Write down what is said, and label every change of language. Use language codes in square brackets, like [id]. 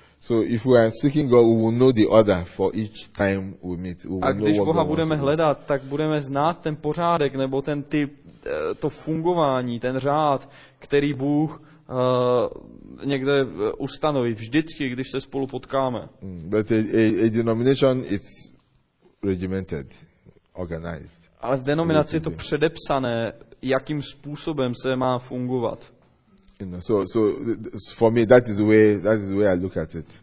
[en] So if we are seeking God, we will know the order for each time we meet. We [cs] a když Boha budeme hledat, tak budeme znát ten pořádek nebo ten typ, to fungování, ten řád, který Bůh někde ustanoví vždycky, když se spolu potkáme. [en] But a denomination is regimented, organized. [cs] Ale v denominaci je to předepsané, jakým způsobem se má fungovat. [en] So for me that is the way I look at it.